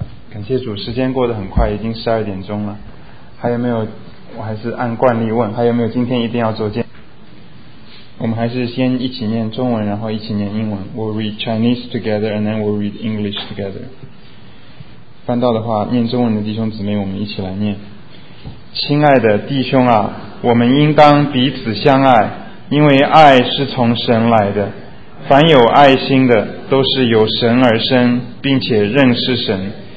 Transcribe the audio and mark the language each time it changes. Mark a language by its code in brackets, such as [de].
[zh] 感谢主，时间过得很快，已经12点钟了。还有没有？我还是按惯例问，还有没有今天一定要做见？我们还是先一起念中文，然后一起念英文。 [en] We'll read Chinese together, and then we'll read English together. [zh] 翻到的话，念中文的弟兄姊妹，我们一起来念。亲爱的弟兄啊，我们应当彼此相爱，因为爱是从神来的。凡有爱心的，都是由神而生，并且认识神。